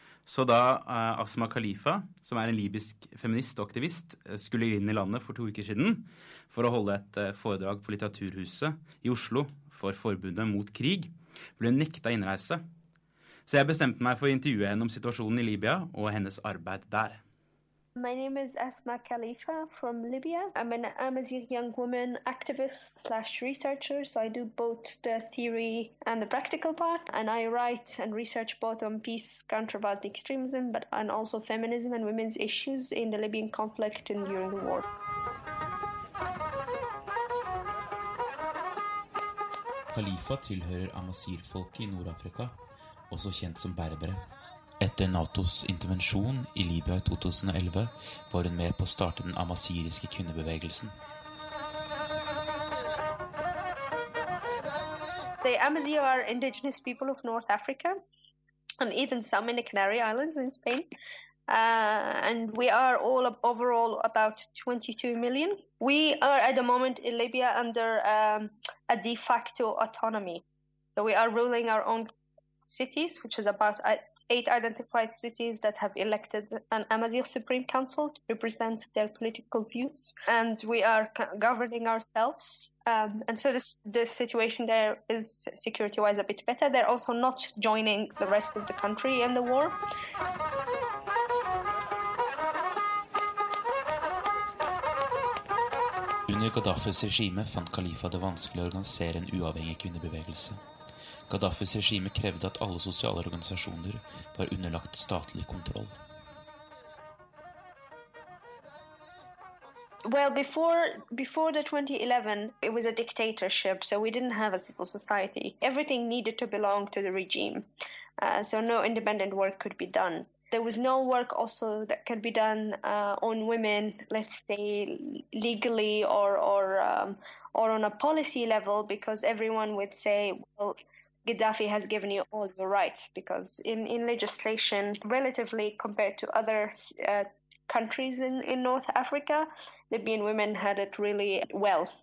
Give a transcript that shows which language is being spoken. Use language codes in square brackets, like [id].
[no] Så da Asma Khalifa, som en libysk feminist og aktivist, skulle inn I landet for 2 uker siden for å holde et foredrag på litteraturhuset I Oslo for forbundet mot krig, ble nekta innreise. Så jeg bestemte meg for å intervjue henne om situasjonen I Libya og hennes arbeid der. [en] My name is Asma Khalifa from Libya. I'm a young woman activist slash researcher, so I do both the theory and the practical part. And I write and research both on peace, counter-violent extremism, but and also feminism and women's issues in the Libyan conflict and during the war. [no] Khalifa tilhører Amazir-folket I Nord-Afrika, også kjent som berbere. Etter NATOs intervensjon I Libya I 2011 var hun med på å starte den amaziriske kvinnebevegelsen. [en] The Amazigh are indigenous people of North Africa and even some in the Canary Islands in Spain. And we are all overall about 22 million. We are at the moment in Libya under a de facto autonomy. So we are ruling our own cities, which is about 8 identified cities that have elected an Amazigh Supreme Council to represent their political views. And we are governing ourselves. And so the situation there is security-wise a bit better. They're also not joining the rest of the country in the war. [no] Under Gaddafis regime fant Khalifa det vanskelig å organisere en uavhengig kvinnebevegelse. Gaddafis regime krevde at alle sosiale organisasjoner var underlagt statlig kontroll. [en] Well, before the 2011, it was a dictatorship, so we didn't have a civil society. Everything needed to belong to the regime, so no independent work could be done. There was no work also that could be done on women, let's say legally or on a policy level, because everyone would say, well, Gaddafi has given you all your rights, because in legislation, relatively compared to other countries in North Africa, Libyan women had it really well.